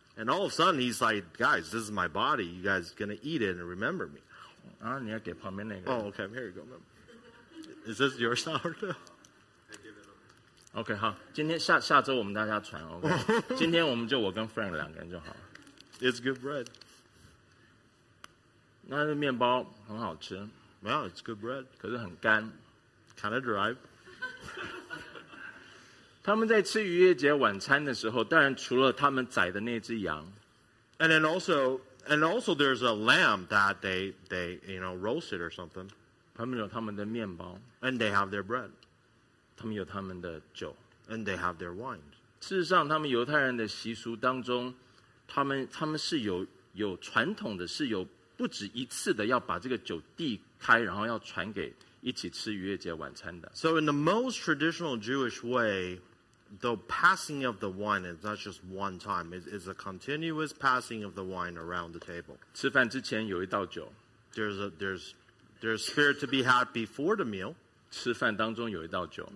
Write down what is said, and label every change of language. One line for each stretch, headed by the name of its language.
English: And all of a sudden, he's like, guys, this is my body. You guys are going to eat it and remember me.
Chinese: 啊,你要给旁边那个。
English: Oh, okay, here you go. Is this your sourdough?
Chinese: Okay, 好,今天下周我们大家传, okay? 今天我们就我跟Frank两个人就好了。
English: It's good bread.
Chinese: 那面包很好吃。
English: Well, it's good bread.
Chinese: 可是很干。
English: Kind of dry.
Chinese: 他们在吃逾越节晚餐的时候, 当然除了他们宰的那只羊,
English: And then also there's a lamb that they you know, roasted or something.
Chinese: 他们有他们的面包,
English: and they have their bread.
Chinese: 他们有他们的酒,
English: and they have their wine.
Chinese: 事实上,他们犹太人的习俗当中, 他们是有传统的,是有不止一次的要把这个酒递开, 然后要传给一起吃逾越节晚餐的。
English: So in the most traditional Jewish way, the passing of the wine is not just one time. It's a continuous passing of the wine around the table.
Chinese: 吃饭之前有一道酒,
English: there's spirit to be had before the meal.
Chinese: 吃饭当中有一道酒,